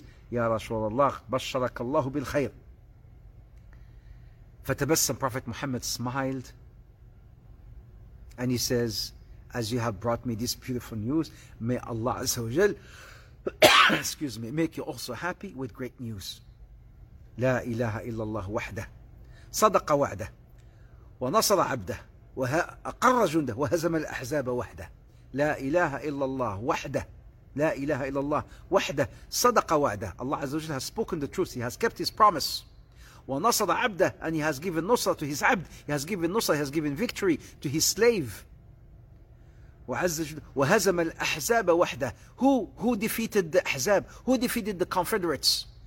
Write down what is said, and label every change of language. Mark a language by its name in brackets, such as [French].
[Arabic] Ya Rasulullah, basharak Allahu bil khair. [English] Fatabassam, Prophet Muhammad smiled, and he says, as you have brought me this beautiful news, may Allah Azza wa Jal, excuse me, make you also happy with great news. [Arabic] لا إله إلا الله وحده صدق وعده ونصر عبده وأقر جنده وهزم الأحزاب وحده لا إله إلا الله وحده لا إله إلا الله وحده صدق وعده. [English] Allah عز وجل has spoken the truth. He has kept his promise. [Arabic] ونصر عبده, [English] and he has given nusra to his abd. He has given nusra, he has given victory to his slave. [Arabic] وهزم الأحزاب وحده. [English] Who defeated the أحزاب? Who defeated the confederates?